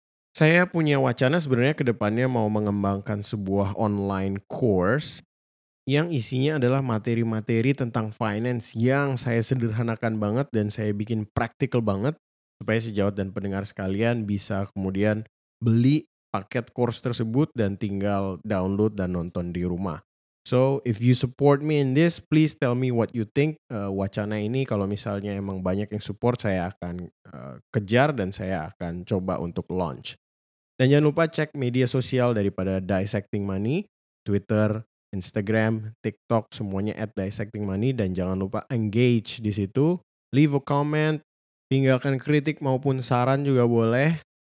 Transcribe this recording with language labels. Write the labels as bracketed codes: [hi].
[id] Saya punya wacana sebenarnya ke depannya mau mengembangkan sebuah online course yang isinya adalah materi-materi tentang finance yang saya sederhanakan banget dan saya bikin praktikal banget supaya sejawat dan pendengar sekalian bisa kemudian beli paket course tersebut dan tinggal download dan nonton di rumah. [en] So, if you support me in this, please tell me what you think. [id] Wacana ini kalau misalnya emang banyak yang support, saya akan kejar dan saya akan coba untuk launch. Dan jangan lupa cek media sosial daripada Dissecting Money, Twitter, Instagram, TikTok, semuanya at Dissecting Money. Dan jangan lupa engage di situ, [en] leave a comment, [id] tinggalkan kritik maupun saran juga boleh.